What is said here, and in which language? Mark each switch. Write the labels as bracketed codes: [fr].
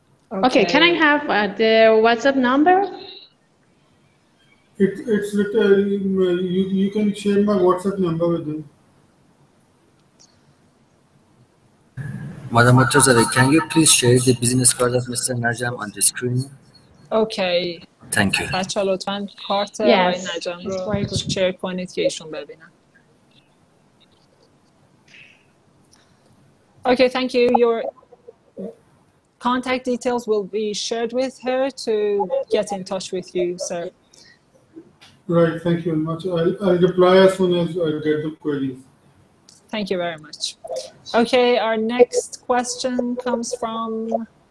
[en] Okay, can I have the WhatsApp number? It's written, you can share my WhatsApp number with them. Madam Matuzade, can you please share the business card of Mr. Najem on the screen? Okay. Thank you. [fa] بچه‌ها لطفاً کارت آقای نجم رو شیر کنید که ایشون ببینن. [en] Okay, thank you. Your contact details will be shared with her to get in touch with you, sir. Right, thank you very much. I'll reply as soon as I get the queries. Thank you very much. Okay, our next question comes from...